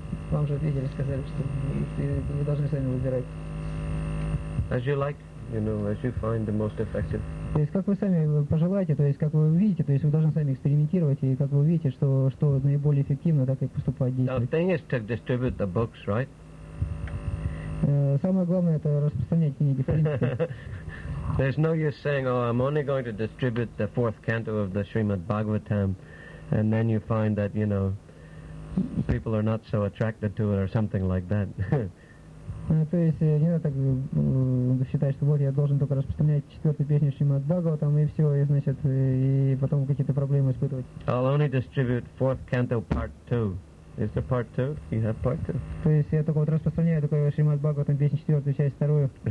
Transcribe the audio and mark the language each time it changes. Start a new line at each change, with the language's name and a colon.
Russian: Вам же видели, сказали, что вы должны сами выбирать.
English: As you like, you know, as you find the most effective.
Russian: То есть как вы сами пожелаете, то есть как вы увидите, то есть вы должны сами экспериментировать и как вы увидите, что наиболее эффективно, так и поступать действовать.
English: The thing is to distribute the books, right?
Russian: Самое главное это распространять книги.
English: There's no use saying, oh, I'm only going to distribute the fourth canto of the Srimad Bhagavatam, and then you find that, you know, people are not so attracted to it or something like that.
Russian: То есть не надо так считать, что вот я должен только распространять четвертую песню Шримад Бхагаватам и все, и значит, и потом какие-то проблемы испытывать.
English: I'll only distribute fourth canto part two. Is there part two? You have part two?
Russian: То есть я только вот распространяю только Шримад Бхагаватам песню четвертую часть вторую.